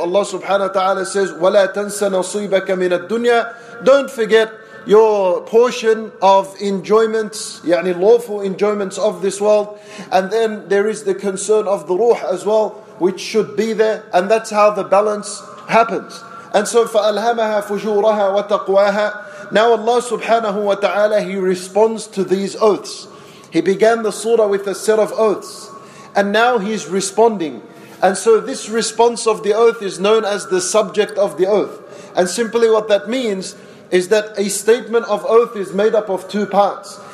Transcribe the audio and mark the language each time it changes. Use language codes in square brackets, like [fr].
[en] Allah subhanahu wa ta'ala says, [ar] وَلَا تَنْسَ نَصِيبَكَ مِنَ الدُّنْيَا. [en] Don't forget your portion of enjoyments, يعني lawful enjoyments of this world. And then there is the concern of the ruh as well, which should be there. And that's how the balance happens. And so [ar] فَأَلْهَمَهَا فُجُورَهَا وَتَقْوَاهَا. [en] Now Allah subhanahu wa ta'ala, He responds to these oaths. He began the surah with a set of oaths, and now He's responding. And so this response of the oath is known as the subject of the oath. And simply what that means is that a statement of oath is made up of two parts.